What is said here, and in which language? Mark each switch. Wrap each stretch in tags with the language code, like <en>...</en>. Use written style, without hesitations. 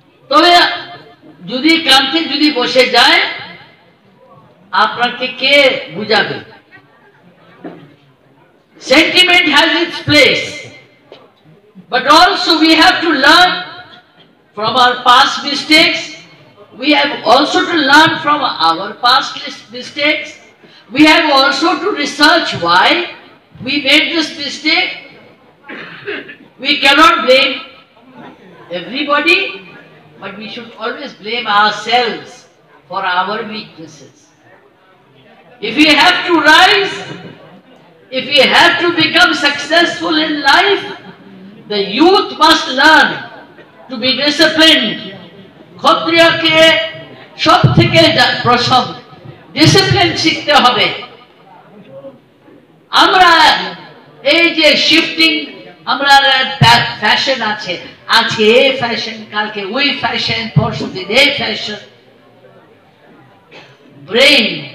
<bn>তবে যদি কান্তি যদি বসে যায় আপনাকে কে বুঝাবে</bn> <en>Sentiment has its place but also we have to learn from our past mistakes We have also to learn from our past mistakes. We have also to research why we made this mistake. We cannot blame everybody, but we should always blame ourselves for our weaknesses. If we have to rise, if we have to become successful in life, the youth must learn to be disciplined.</en> <bn>ক্ষত্রিয়কে সব থেকে প্রথম discipline শিখতে হবে আমরা এই যে shifting আমরার fashion আছে আজকে এই ফ্যাশন কালকে ওই ফ্যাশন পরশুদিন এই ফ্যাশন ব্রেইন</bn>